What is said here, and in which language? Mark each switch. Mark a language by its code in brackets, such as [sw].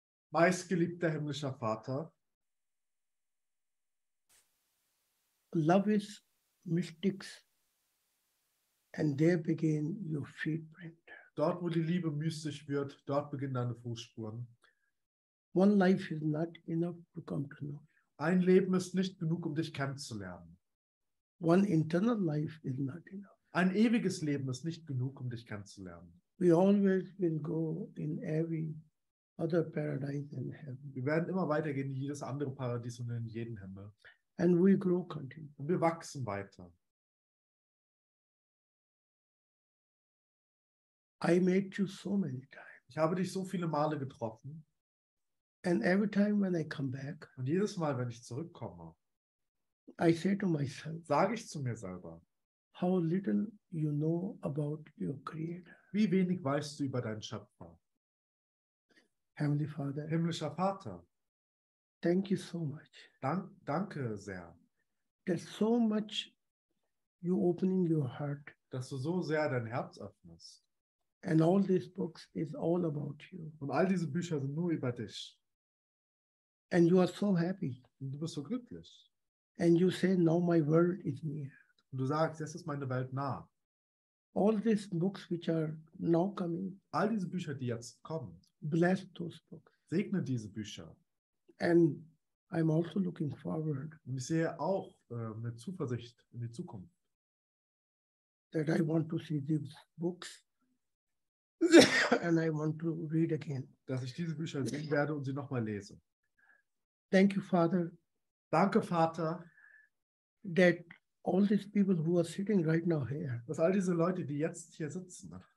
[de] Meistgeliebter himmlischer Vater. [en] Love is mystics. And there begin your footprint. [de] Dort, wo die Liebe mystisch wird, dort beginnen deine Fußspuren. [en] One life is not enough to come to know. [de] Ein Leben ist nicht genug, um dich kennenzulernen. [en] One internal life is not enough. [de] Ein ewiges Leben ist nicht genug, um dich kennenzulernen. [en] We always will go in every other paradise in heaven. [de] Wir werden immer weitergehen in jedes andere Paradies und in jeden Himmel. [en] And we grow continually. [de] Und wir wachsen weiter. [en] I met you so many times. [de] Ich habe dich so viele Male getroffen. [en] And every time when I come back, [de] und jedes Mal, wenn ich zurückkomme, [en] I say to myself, [de] sage ich zu mir selber, [en] how little you know about your creator. [de] Wie wenig weißt du über deinen Schöpfer? [en] Heavenly Father, [de] himmlischer Vater, [en] thank you so much. [de] Danke sehr. [en] There's so much you opening your heart, [de] dass du so sehr dein Herz öffnest. [en] And all these books is all about you. [de] Und all diese Bücher sind nur über dich. [en] And you are so happy. [de] Und du bist so glücklich. [en] And you say, now my world is near. [de] Und du sagst, jetzt ist meine Welt nah. [en] All these books which are now coming. [de] All diese Bücher, die jetzt kommen. [en] Bless those books. [de] Segne diese Bücher. [en] And I'm also looking forward. [de] Und ich sehe auch mit Zuversicht in die Zukunft. [en] That I want to see these books. And I want to read again. [de] Dass ich diese Bücher sehen werde und sie nochmal lese. [en] Thank you, Father. [de] Danke, Vater. [en] That all these people who are sitting right now here. [de] Dass all diese Leute, die jetzt hier sitzen.